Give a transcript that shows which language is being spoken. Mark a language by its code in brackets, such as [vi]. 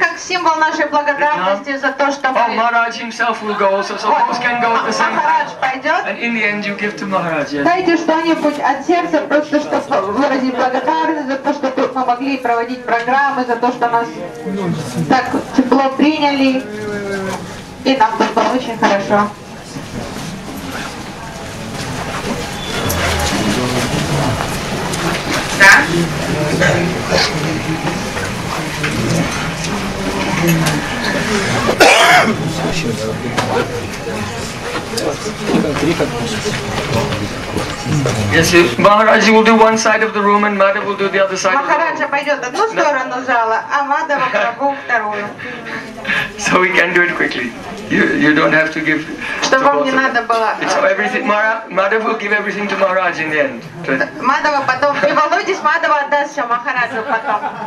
[ru] Как символ нашей благодарности за то, что мы. [en] Oh, Maharaj himself will go. Also, so others can go at the same time. [ru] Maharaj пойдет. [en] And in the end, you give to Maharaj. Yes. [ru] Дайте что-нибудь от сердца просто, чтобы выразить благодарность за то, что мы помогли проводить программы, за то, что нас так тепло приняли, и нам тут было очень хорошо. [en] Yes, if Maharaj will do one side of the room and Madhav will do the other side. [ru] Махараджа пойдет одну сторону зала, а Мадхава Прабху вторую. [en] So we can do it quickly. You don't have to give. [ru] Чтобы вам не надо было. [en] It's everything. Madhav will give everything to Maharaj in the end. [ru] Мадхава потом. Не волнуйтесь, Мадхава отдаст все Махараджу потом.